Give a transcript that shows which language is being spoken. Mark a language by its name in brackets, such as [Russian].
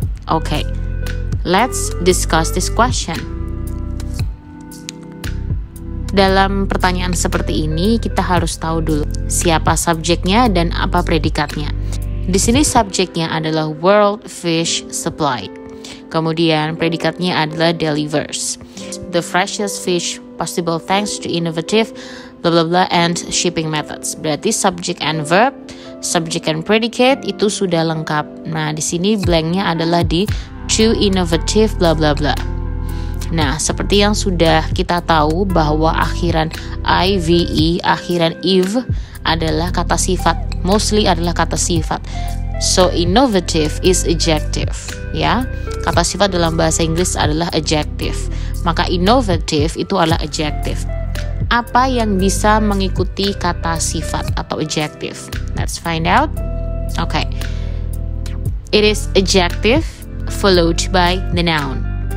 [English] Okay, let's discuss this question. [Indonesian] Dalam pertanyaan seperti ini, kita harus tahu dulu siapa subjeknya dan apa predikatnya. Di sini subjeknya adalah World Fish Supply. Kemudian predikatnya adalah [English] delivers the freshest fish possible thanks to innovative blah blah blah and shipping methods. [Indonesian] Berarti [English] subject and verb, subject and predicate [Indonesian] itu sudah lengkap. Nah, di sini blanknya adalah di to innovative blah blah blah. Nah, seperti yang sudah kita tahu bahwa akhiran ive, akhiran eve adalah kata sifat, mostly adalah kata sifat. [English] So innovative is adjective, [Indonesian] ya. Kata sifat dalam bahasa Inggris adalah adjective. Maka innovative itu adalah adjective. Apa yang bisa mengikuti kata sifat atau adjective? [English] Let's find out. Okay. It is adjective followed by the noun.